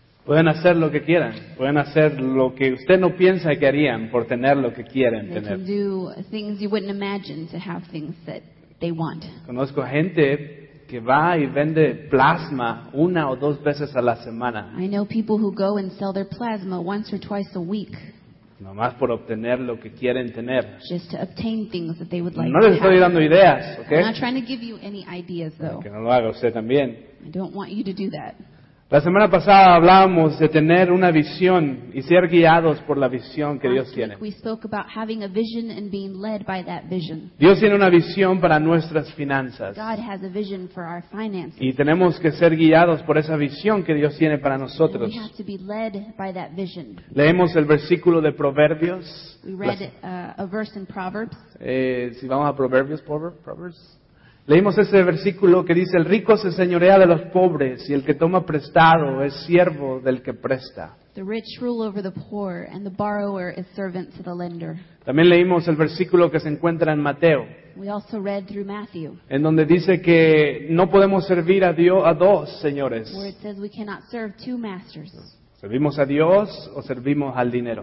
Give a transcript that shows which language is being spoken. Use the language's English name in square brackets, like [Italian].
[Spanish] Pueden hacer lo que quieran. Pueden hacer lo que usted no piensa que harían por tener lo que quieren tener. [English] They can do things you wouldn't imagine to have things that they want. [Spanish] Conozco gente que va y vende plasma una o dos veces a la semana. [English] I know people who go and sell their plasma once or twice a week. [Spanish] Nomás por obtener lo que quieren tener. [English] Just to obtain things that they would like to have. [Spanish] No les estoy dando ideas, ¿ok? [English] I'm not trying to give you any ideas, though. [Spanish] Que no lo haga usted también. [English] I don't want you to do that. [Spanish] La semana pasada hablábamos de tener una visión y ser guiados por la visión que Dios tiene. [English] We spoke about having a vision and being led by that vision. [Spanish] Dios tiene una visión para nuestras finanzas. [English] God has a vision for our finances. [Spanish] Y tenemos que ser guiados por esa visión que Dios tiene para nosotros. [English] We have to be led by that vision. [Spanish] Leemos el versículo de Proverbios. [English] We read a verse in Proverbs. [Spanish] Si vamos a Proverbios, Proverbs. Leímos ese versículo que dice, el rico se señorea de los pobres y el que toma prestado es siervo del que presta. [English] The rich rule over the poor and the borrower is servant to the lender. [Spanish] También leímos el versículo que se encuentra en Mateo. [English] We also read through Matthew. [Spanish] En donde dice que no podemos servir a Dios a dos señores. [English] Where it says we cannot serve two masters. [Spanish] ¿Servimos a Dios o servimos al dinero?